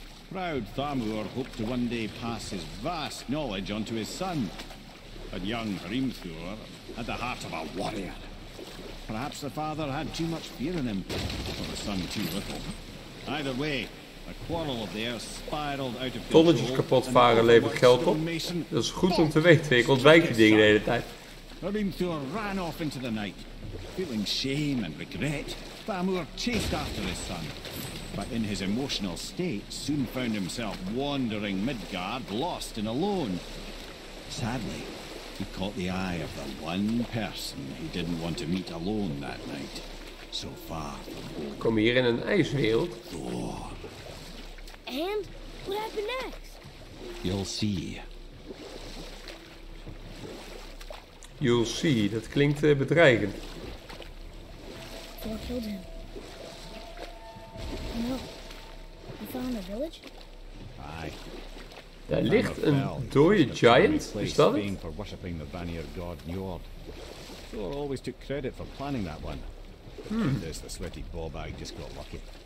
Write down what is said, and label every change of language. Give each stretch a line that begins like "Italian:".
English: Proud Thamur hoped to one day pass his vast knowledge onto his son. But young Hrimthur had the heart of a warrior. Perhaps the father had too much fear in him, or the son too little. Either way, a quarrel of theirs spiraled out of control.
Dutch: Tonnetjes kapot varen levert geld op. Dat is goed om te weten. Ik ontwijk die dingen de hele tijd.
English: Hrimthur ran off into the night. Feeling shame and regret, Thamur chased after his son. But in his emotional state, soon found himself wandering Midgard, lost and alone. Sadly, he caught the eye of the one person he didn't want to meet alone that night. So far from home.
Dutch: Kom hier in een ijswereld.
English: Thor. And what happened next? You'll see. You'll see,
Dutch: dat klinkt bedreigend.
English: Thor killed him. No. He found a village?
Dutch: Daar ligt een dode giant, is dat het?
English: For worshiping the Vanir god Njord. Thor always took credit for planning that one. There's the sweaty ball bag just got lucky.